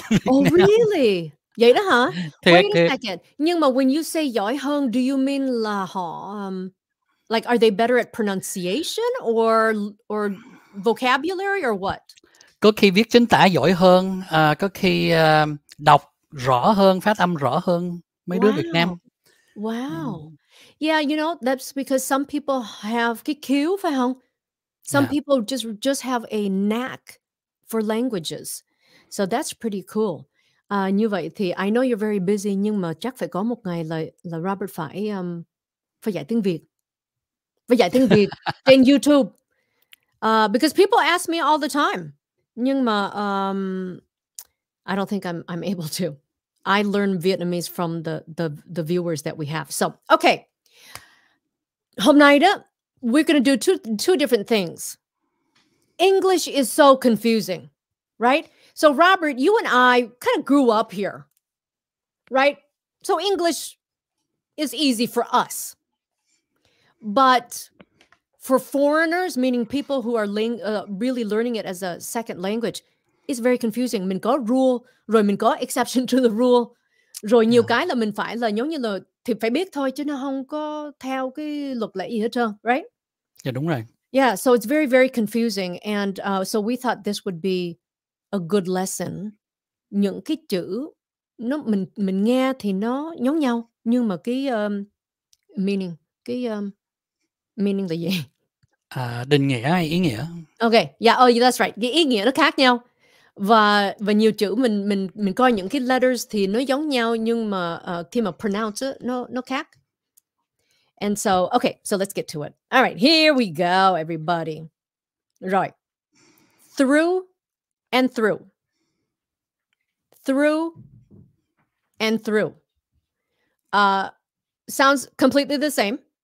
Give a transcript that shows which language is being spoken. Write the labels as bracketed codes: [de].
[en] Oh really? [vi] Vậy đó hả? [en] Wait a second. [vi] Nhưng mà [en] when you say [vi] giỏi hơn, [en] do you mean là họ, like, are they better at pronunciation or vocabulary or what? [vi] Có khi viết chính tả giỏi hơn, có khi đọc rõ hơn, phát âm rõ hơn mấy đứa Việt Nam. [en] Wow. Yeah, you know, that's because some people have KQ, [vi] phải không? [en] Some people just have a knack for languages. So that's pretty cool. [vi] Như vậy thì [en] I know you're very busy, [vi] nhưng mà chắc phải có một ngày là Robert phải dạy tiếng Việt. Phải dạy tiếng Việt trên YouTube. [en] Because people ask me all the time. [vi] Nhưng mà [en] I don't think I'm able to. I learn Vietnamese from the viewers that we have. So, okay. [vi] Hôm nay đó, [en] we're going to do two different things. English is so confusing, right? So, Robert, you and I kind of grew up here, right? So, English is easy for us. But for foreigners, meaning people who are really learning it as a second language, it's very confusing. [vi] Mình có rule, rồi mình có [en] exception to the rule. [vi] Rồi nhiều cái là mình phải là giống như là thì phải biết thôi, chứ nó không có theo cái luật lệ gì hết trơn, right? Yeah, đúng rồi. [en] Yeah, so it's very, very confusing. And so we thought this would be a good lesson. [vi] Những cái chữ nó mình nghe thì nó giống nhau, nhưng mà cái meaning là gì? Định nghĩa hay ý nghĩa? [en] Okay, yeah, oh yeah, that's right. [vi] Cái ý nghĩa nó khác nhau. Và nhiều chữ mình coi những cái letters thì nó giống nhau, nhưng mà khi mà pronounce it, nó khác. [en] And so, okay, so let's get to it. All right, here we go, everybody. Right. Through and through. Through and through. Sounds completely the same.